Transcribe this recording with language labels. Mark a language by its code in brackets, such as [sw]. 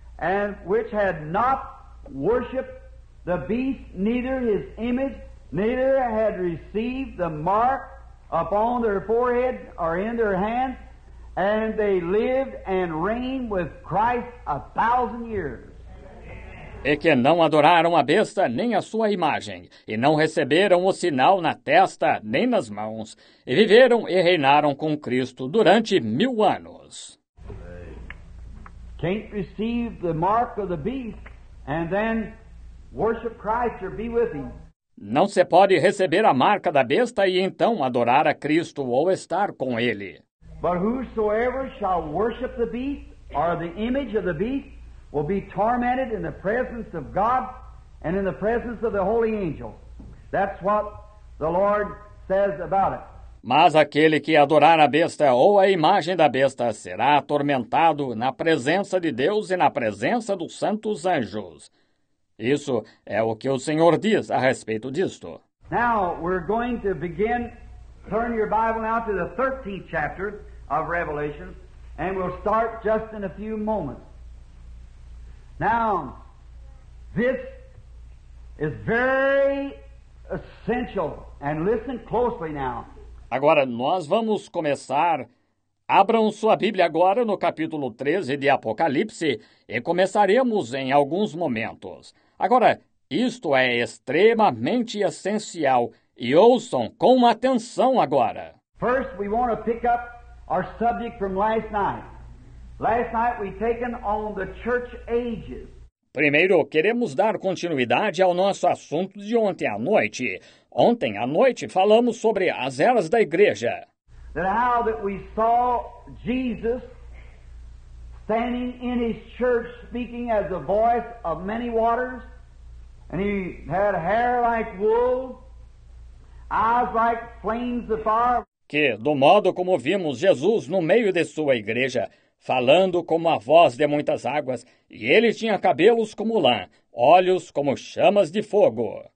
[en] And which had not worshipped the beast, neither his image, neither had received the mark upon their forehead or in their hands, and they lived and reigned with Christ 1,000 years. [pt] E que não adoraram a besta nem a sua imagem, e não receberam o sinal na testa nem nas mãos, e viveram e reinaram com Cristo durante 1,000 anos. [en] Can't receive the mark of the beast and then worship Christ or be with him. [pt] Não se pode receber a marca da besta e então adorar a Cristo ou estar com ele. [en] But whosoever shall worship the beast or the image of the beast will be tormented in the presence of God and in the presence of the holy angels. That's what the Lord says about it. [pt] Mas aquele que adorar a besta ou a imagem da besta será atormentado na presença de Deus e na presença dos santos anjos. Isso é o que o Senhor diz a respeito disto. [en] Now we're going to begin, turn your Bible now to the 13th chapter of Revelation, and we'll start just in a few moments. Now, this is very essential, and listen closely now. [pt] Agora, nós vamos começar. Abram sua Bíblia agora no capítulo 13 de Apocalipse, e começaremos em alguns momentos. Agora, isto é extremamente essencial, e ouçam com atenção agora. [en] First, we want to pick up our subject from last night. Last night we taken on the church ages. [pt] Primeiro, queremos dar continuidade ao nosso assunto de ontem à noite. Ontem à noite falamos sobre as eras da igreja. [en] That how that we saw Jesus standing in his church speaking as the voice of many waters, and he had hair like wool, eyes like flames of fire. [pt] Que do modo como vimos Jesus no meio de sua igreja, falando como a voz de muitas águas, e ele tinha cabelos como lã, olhos como chamas de fogo.